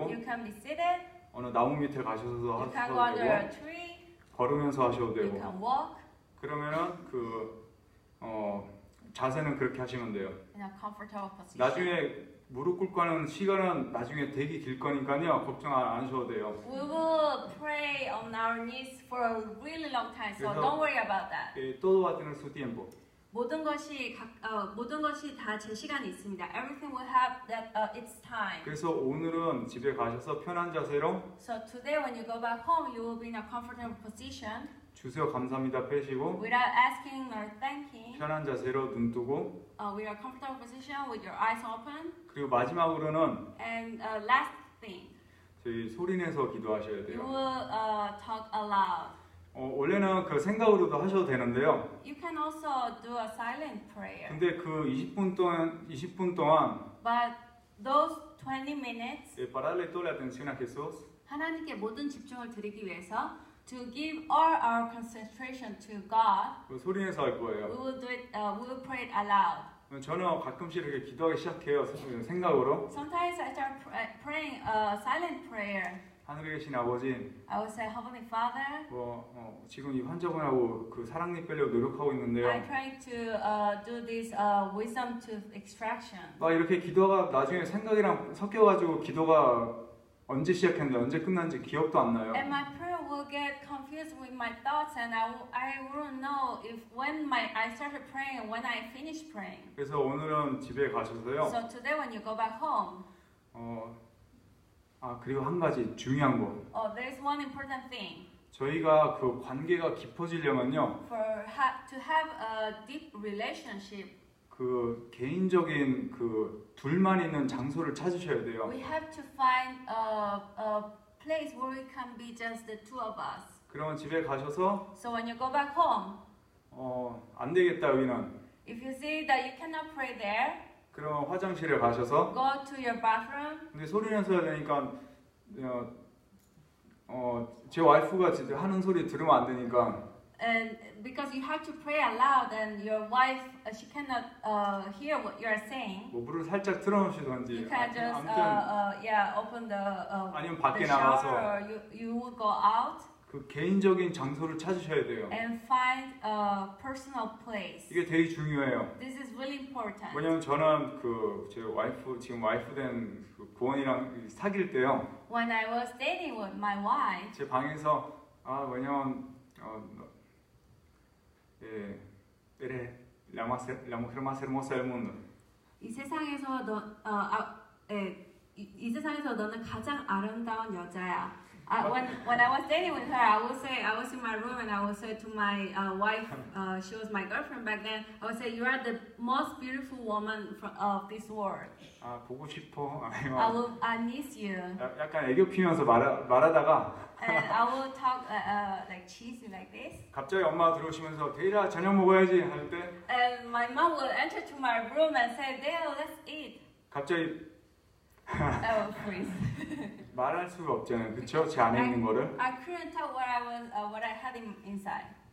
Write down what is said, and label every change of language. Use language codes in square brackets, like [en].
[en] You can be seated. [ko] 어느 나무 밑에 가셔서 하셔도 되고. [en] You can go under a tree. [ko] 걸으면서 하셔도 되고. [en] You can walk. [ko] 그러면은 그 자세는 그렇게 하시면 돼요. [en] In a comfortable position. [ko] 나중에 무릎 꿇고 하는 시간은 나중에 되게 길 거니까요. 걱정 안 하셔도 돼요. [en] We will pray on our knees for a really long time, so don't worry about that. [es] 예, todo va a tener su tiempo. [ko] 모든 것이 모든 것이 다 제 시간이 있습니다. [en] Everything will have that its time. [ko] 그래서 오늘은 집에 가셔서 편한 자세로. [en] So today when you go back home, you will be in a comfortable position. [ko] 주세요 감사합니다 빼시고. [en] Without asking or thanking. [ko] 편한 자세로 눈 뜨고. [en] With a comfortable position, with your eyes open. [ko] 그리고 마지막으로는. [en] And last thing. [ko] 저희 소리내서 기도하셔야 돼요. [en] You will talk aloud. [ko] 원래는 그 생각으로도 하셔도 되는데요. [en] You can also do a silent prayer. [ko] 근데 그 20분 동안. [en] But those 20 minutes. [es] 예, para darle toda la atención a Jesús. [ko] 하나님께 모든 집중을 드리기 위해서. [en] To give all our concentration to God. [ko] 소리내서 할 거예요. [en] We will do it. We will pray it aloud. [ko] 저는 가끔씩 이렇게 기도하기 시작해요. 생각으로. [en] Sometimes I start praying a silent prayer. [ko] 하늘에 계신 아버지. [en] I will say, Heavenly Father. [ko] 지금 이 환자분하고 그 사랑니 빼려고 노력하고 있는데요. [en] I'm trying to do this wisdom tooth extraction. [ko] 막 이렇게 기도가 나중에 생각이랑 섞여가지고 기도가 언제 시작했는데 언제 끝난지 기억도 안 나요. [en] And my prayer will get confused with my thoughts, and I wouldn't know if when my I started praying and when I finished praying. [ko] 그래서 오늘은 집에 가셔서요. [en] So today when you go back home. [ko] 그리고 한 가지 중요한 거. [en] Oh, there's one important thing. [ko] 저희가 그 관계가 깊어지려면요. [en] For to have a deep relationship. [ko] 그 개인적인 그 둘만 있는 장소를 찾으셔야 돼요. [en] We have to find a place where we can be just the two of us. [ko] 그러면 집에 가셔서. [en] So when you go back home. [ko] 안 되겠다 여기는. [en] If you see that you cannot pray there. [ko] 그럼 화장실에 가셔서. [en] Go to your bathroom. [ko] 근데 소리내서 해야 되니까 제 와이프가 지금 하는 소리 들으면 안 되니까. [en] And because you have to pray aloud, and your wife she cannot hear what you are saying. [ko] 뭐 불을 살짝 틀어놓으시던지. [en] You can just open the. [ko] 아니면 밖에 나가서. [en] You would go out. [ko] 그 개인적인 장소를 찾으셔야 돼요. [en] And find a personal place. [ko] 이게 되게 중요해요. [en] This is really important. [ko] 왜냐면 저는 그 제 와이프 지금 와이프 된 그 구원이랑 사귈 때요. [en] When I was dating with my wife. [ko] 제 방에서 왜냐면 [es] eres la mujer más hermosa del mundo. [ko] 이 세상에서 너는 가장 아름다운 여자야. [en] When I was dating with her, I was in my room and I would say to my wife, she was my girlfriend back then, I would say, you are the most beautiful woman of this world. [ko] 보고 싶어. [en] I miss you. [ko] 약간 애교 피면서 말하다가. [en] And I would talk like cheesy like this. [ko] 갑자기 엄마가 들어오시면서, 데일아, 저녁 먹어야지 할 때. [en] And my mom would enter to my room and say, Dale, let's eat. [ko] 갑자기 [en] please. [ko] 말할 수가 없잖아요. 그쵸? 제 안에 있는 거를. [en] I couldn't talk what I was what I had inside.